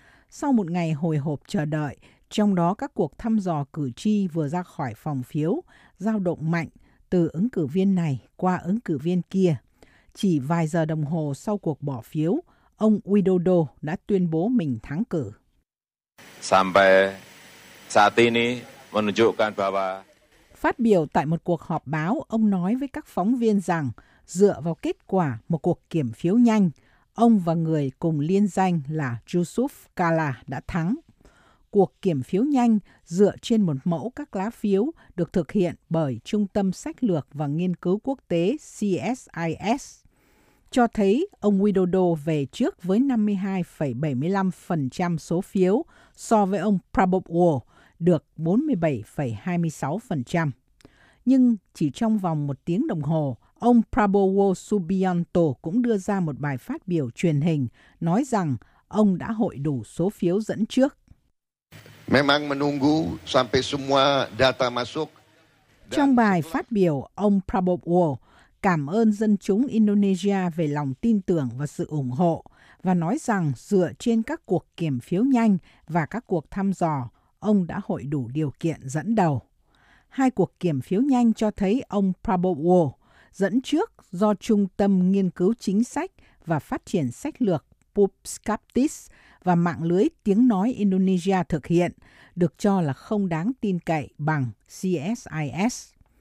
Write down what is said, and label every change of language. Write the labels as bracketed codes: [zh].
[vi] Sau một ngày hồi hộp chờ đợi, trong đó các cuộc thăm dò cử tri vừa ra khỏi phòng phiếu, dao động mạnh từ ứng cử viên này qua ứng cử viên kia. Chỉ vài giờ đồng hồ sau cuộc bỏ phiếu, ông Widodo đã tuyên bố mình thắng cử. [id] Sampai saat ini menunjukkan bahwa... [vi] Phát biểu tại một cuộc họp báo, ông nói với các phóng viên rằng dựa vào kết quả một cuộc kiểm phiếu nhanh, ông và người cùng liên danh là Yusuf Kalla đã thắng. Cuộc kiểm phiếu nhanh dựa trên một mẫu các lá phiếu được thực hiện bởi Trung tâm Sách lược và Nghiên cứu Quốc tế CSIS, cho thấy ông Widodo về trước với 52,75% số phiếu so với ông Prabowo được 47,26%. Nhưng chỉ trong vòng một tiếng đồng hồ, ông Prabowo Subianto cũng đưa ra một bài phát biểu truyền hình nói rằng ông đã hội đủ số phiếu dẫn trước. [id] Memang menunggu sampai semua data masuk. [vi] Trong bài phát biểu, ông Prabowo cảm ơn dân chúng Indonesia về lòng tin tưởng và sự ủng hộ và nói rằng dựa trên các cuộc kiểm phiếu nhanh và các cuộc thăm dò, ông đã hội đủ điều kiện dẫn đầu. Hai cuộc kiểm phiếu nhanh cho thấy ông Prabowo dẫn trước do Trung tâm Nghiên cứu Chính sách và Phát triển Sách lược Pupskaptis và Mạng lưới Tiếng nói Indonesia thực hiện, được cho là không đáng tin cậy bằng CSIS.